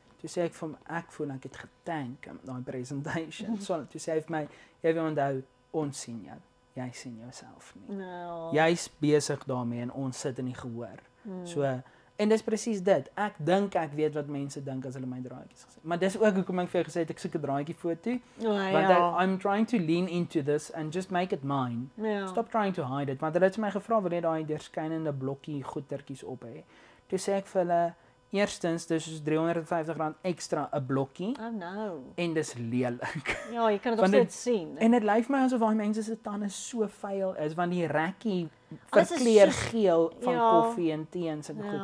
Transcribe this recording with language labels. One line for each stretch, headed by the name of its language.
Afrikaans: Toe sê ek vir hom, ek voel ek het getank in die presentation. So, toe sê hy vir my, jy wil onthou, ons sien jou. Jy sien jouself nie.
English: No.
Afrikaans: Jy is besig daarmee en ons sit in die gehoor. So, en dis precies dit. Ek dink ek weet wat mense dink as hulle my draadjies gesê. Maar dis ook hoekom ek vir jou gesê het, ek soek 'n draadjie foto.
English: I'm trying to lean into this and just make it mine. No. Stop trying to hide it.
Afrikaans: Want hulle het my gevra, wil jy daai deurskynende blokkie goetertjies op hê? Toe sê ek vir hulle, eerstens, dis R350 extra 'n blokkie.
English: Oh no.
Afrikaans: En dis lelik. Ja, jy kan dit op dit sien. En dit lyk my asof daai mense se tande so vuil is, want die rekkie verkleur so, geel van koffie en tee en so goed.